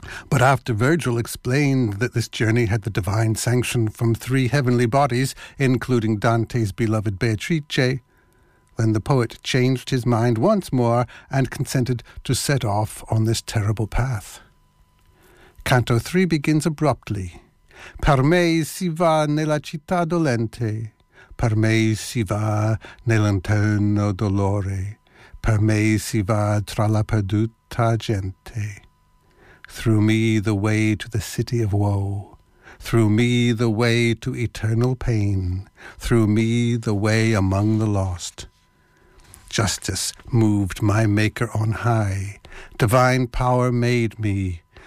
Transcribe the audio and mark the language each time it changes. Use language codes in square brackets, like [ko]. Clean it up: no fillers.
[en] But after Virgil explained that this journey had the divine sanction from three heavenly bodies, including Dante's beloved Beatrice, then the poet changed his mind once more and consented to set off on this terrible path. Canto 3 begins abruptly. [it] Per me si va nella città dolente, per me si va nell'interno dolore, per me si va tra la perduta gente. [en] Through me the way to the city of woe, through me the way to eternal pain, through me the way among the lost. Justice moved my maker on high. Divine power made me.